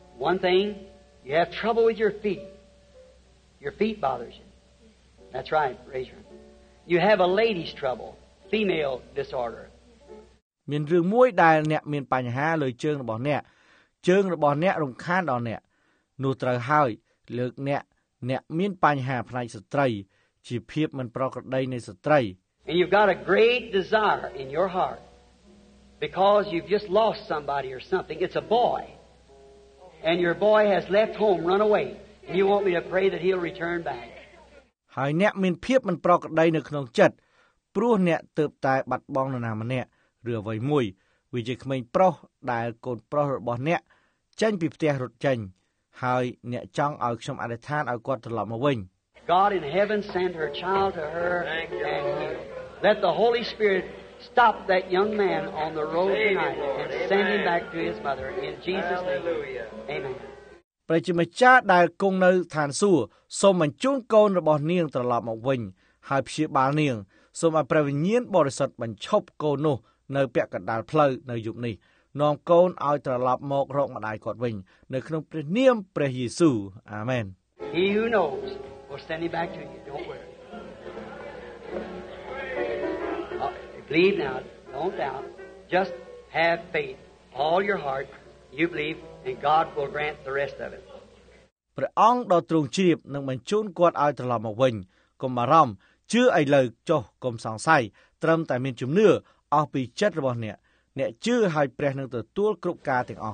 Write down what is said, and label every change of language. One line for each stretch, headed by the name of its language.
English: One thing you have trouble with your feet bothers you That's right raise your You have a lady's trouble female disorder
Khmer: មានរឿងមួយដែលអ្នកមានបញ្ហាលើជើងរបស់អ្នកជើងរបស់អ្នករំខានដល់អ្នកនោះត្រូវហើយលើកអ្នកអ្នកមានបញ្ហាផ្នែកស្ត្រីជាភាពមិនប្រក្រតីនៃស្ត្រី
English: And you've got a great desire in your heart because you've just lost somebody or something it's a boy and your boy has left home run away and you want me to pray that he'll return back
Khmer: ហើយអ្នកមានភាពមិនប្រក្រតីនៅក្នុងចិត្តព្រោះអ្នកទើបតែបាត់បង់នរណាម្នាក់ឬអ្វីមួយ វាជាក្មេងប្រុសដែលកូនប្រុសរបស់អ្នកចេញពីផ្ទះរត់ចេញហើយអ្នកចង់ឲ្យខ្ញុំអធិដ្ឋានឲ្យគាត់ត្រឡប់មកវិញ
English: God in heaven send her child to her and let the Holy Spirit stop that young man on the road tonight and send him back to his mother in Jesus' name. Hallelujah. Amen.
Khmer: ព្រះជាម្ចាស់ដែលគង់នៅឋានសួគ៌សូមបញ្ជូនកូនរបស់នាងត្រឡប់មកវិញហើយព្យាបាលនាងសូមឲ្យព្រះវិញ្ញាណបរិសុទ្ធបញ្ឈប់កូននោះនៅពាក់កណ្ដាលផ្លូវនៅយប់នេះនាំកូនឲ្យត្រឡប់មករកម្ដាយគាត់វិញនៅក្នុងព្រះនាមព្រះយេស៊ូវអាមែន
English: He who knows will send him back to you. Don't worry. Believe now. Don't doubt. Just have faith. All your heart. You believe. And God will grant the rest of it.
Khmer: ព្រះអង្គដ៏ទ្រង់ជ្រាបនឹងបញ្ជូនគាត់ឲ្យត្រឡប់មកវិញកុំបារម្ភជឿឲ្យលើកចុះកុំសង្ស័យត្រឹមតែមានជំនឿអស់ពីចិត្តរបស់អ្នកអ្នកជឿឲ្យព្រះនឹងទទួលគ្រប់ការទាំងអស